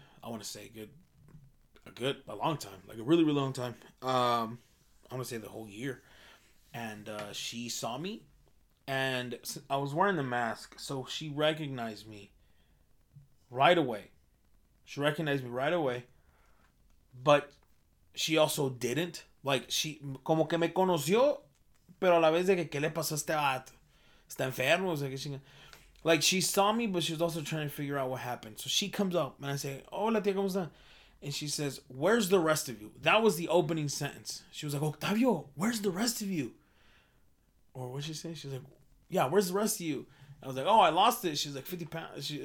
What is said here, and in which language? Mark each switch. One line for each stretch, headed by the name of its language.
English: I want to say a long time, like a really, really long time. I'm gonna say the whole year, and she saw me, And I was wearing the mask, so she recognized me right away. She recognized me right away, but she also didn't. Like, she,
Spanish: como que me conoció, pero a la vez de que, ¿qué le pasó a este vato? ¿Está enfermo?
English: Like, she saw me, but she was also trying to figure out what happened. So she comes up, and I say,
Spanish: hola, tía, ¿cómo está?
English: And she says, where's the rest of you? That was the opening sentence. She was like, Octavio, where's the rest of you? Or what'd she say? She was like, yeah, where's the rest of you? I was like, oh, I lost it. She was like, 50 pounds.